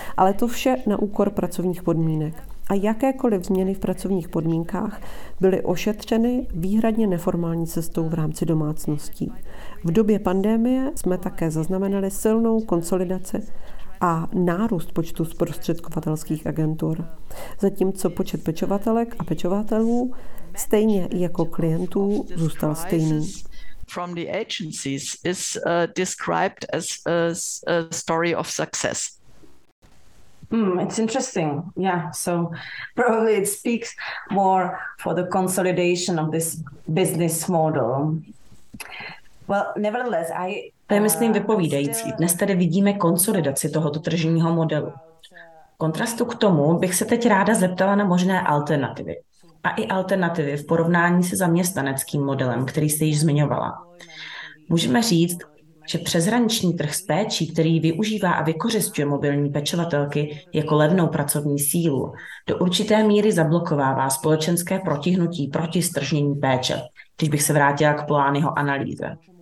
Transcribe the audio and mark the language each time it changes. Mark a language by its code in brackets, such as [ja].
[cs] Ale to vše na úkor pracovních podmínek. A jakékoliv změny v pracovních podmínkách byly ošetřeny výhradně neformální cestou v rámci domácností. V době pandemie jsme také zaznamenali silnou konsolidaci a nárůst počtu zprostředkovatelských agentur. Zatímco počet pečovatelek a pečovatelů stejně jako klientů zůstal stejný. [en] From the agencies is described as a story of success. It's interesting. Yeah, so probably it speaks more for the consolidation of this business model. Well, nevertheless, [cs] To je, myslím, vypovídající. Dnes tady vidíme konsolidaci tohoto tržního modelu. V kontrastu k tomu bych se teď ráda zeptala na možné alternativy. A i alternativy v porovnání se zaměstnaneckým modelem, který jste již zmiňovala. Můžeme říct, že přeshraniční trh s péčí, který využívá a vykořisťuje mobilní pečovatelky jako levnou pracovní sílu, do určité míry zablokovává společenské protihnutí proti stržnění péče, když bych se vrátila k Polányho analýze.